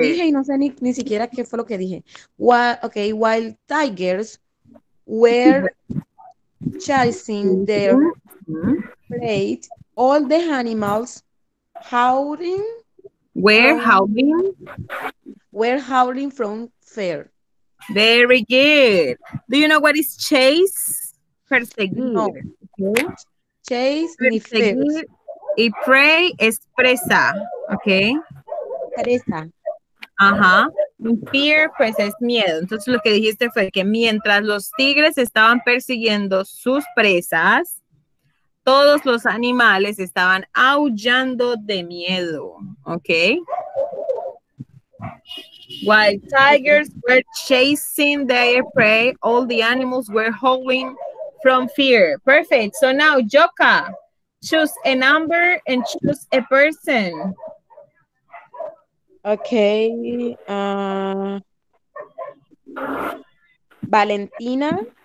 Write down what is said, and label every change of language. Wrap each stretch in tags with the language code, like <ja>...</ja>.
<es>Dije y no sé ni siquiera qué fue lo que dije.</es> <en>While tigers were chasing their prey, all the animals howling. Were howling from fear. Very good. Do you know what is chase? Perseguir.</en> <es>No. Chase, perseguir. Y prey es presa. Okay. Presa. Ajá. Fear, pues es miedo. Entonces lo que dijiste fue que mientras los tigres estaban persiguiendo sus presas, todos los animales estaban aullando de miedo.</es> <en>Okay. While tigers were chasing their prey, all the animals were howling from fear. Perfect. So now, Joka, choose a number and choose a person. Okay. Valentina.</en>